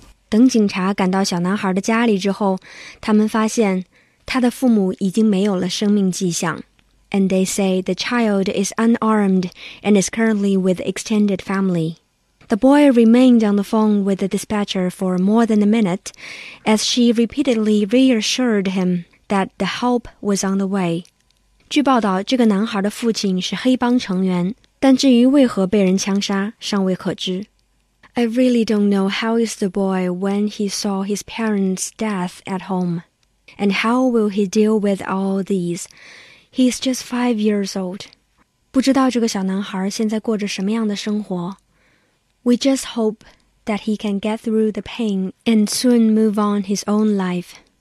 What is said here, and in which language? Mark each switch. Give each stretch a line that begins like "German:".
Chinese: 等警察赶到小男孩的家里之后，他们发现他的父母已经没有了生命迹象。
English: And they say the child is unarmed and is currently with extended family. The boy remained on the phone with the dispatcher for more than a minute as she repeatedly reassured him that the help was on the way.
Chinese: 据报道，这个男孩的父亲是黑帮成员，但至于为何被人枪杀，尚未可知。
English: I really don't know how is the boy when he saw his parents' death at home. And how will he deal with all these? He's just 5 years old.
Chinese: 不知道这个小男孩现在过着什么样的生活。
English: We just hope that he can get through the pain and soon move on his own life.